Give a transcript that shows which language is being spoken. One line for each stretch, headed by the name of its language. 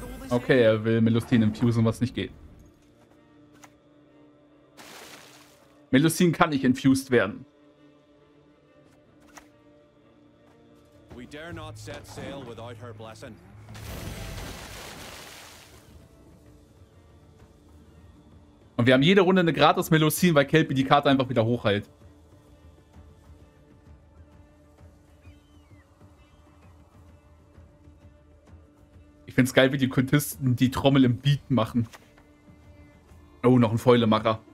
German: Okay, er will Melusine infusen, was nicht geht. Melusine kann nicht infused werden.
English: We dare not set sail without her blessing.
German: Und wir haben jede Runde eine gratis Melusine, weil Kelpie die Karte einfach wieder hochhält. Ich find's geil, wie die Kultisten die Trommel im Beat machen. Oh, noch ein Fäulemacher.